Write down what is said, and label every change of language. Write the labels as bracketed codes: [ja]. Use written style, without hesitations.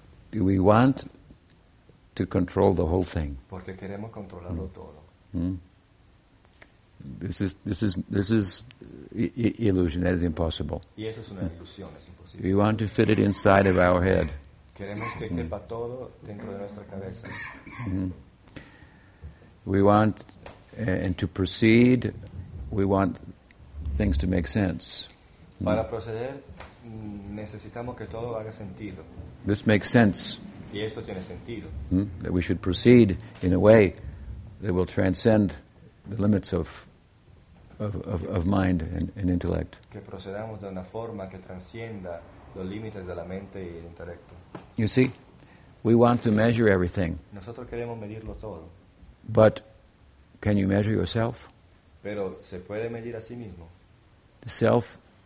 [en] Do we want to control the whole thing? [es] Porque queremos controlarlo todo. [en] This is illusion. That is impossible. [es] Y eso es una ilusión, es imposible. [en] We want to fit it inside of our head. [es] Queremos que quepa todo dentro de nuestra cabeza. [en] We want and to proceed. We want things to make sense. [es] Para proceder, necesitamos que todo haga sentido. [en] This makes sense. [es] Y esto tiene sentido. [en] That we should proceed in a way that will transcend the limits of mind and intellect. [es] Que procedamos de una forma que transcienda los límites de la mente y el intelecto. [en] You see, we want to measure everything. [es] Nosotros queremos medirlo todo. [en] But can you measure yourself? [es] Pero se puede medir a sí mismo. [en] The self,